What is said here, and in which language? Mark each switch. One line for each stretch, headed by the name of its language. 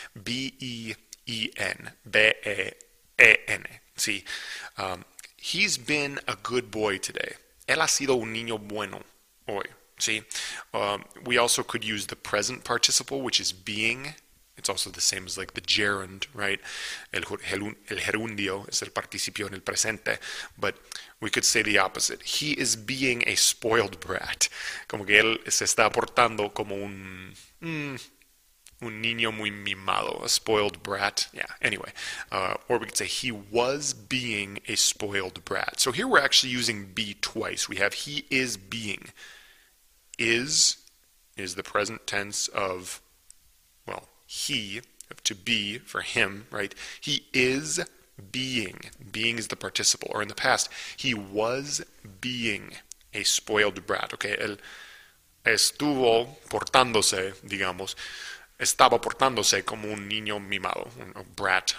English: BEEN. BEEN. See? He's been a good boy today.
Spanish: Él ha sido un niño bueno hoy.
English: See? We also could use the present participle, which is being. It's also the same as like the gerund, right?
Spanish: El gerundio es el participio en el presente.
English: But we could say the opposite. He is being a spoiled brat.
Spanish: Como que él se está portando como un niño muy mimado,
English: a spoiled brat. Yeah, anyway. Or we could say he was being a spoiled brat. So here we're actually using be twice. We have he is being. Is the present tense of, well, he, to be for him, right? He is being. Being is the participle. Or in the past, he was being a spoiled brat.
Spanish: Okay, él estuvo portándose, digamos, estaba portándose como un niño mimado, a brat.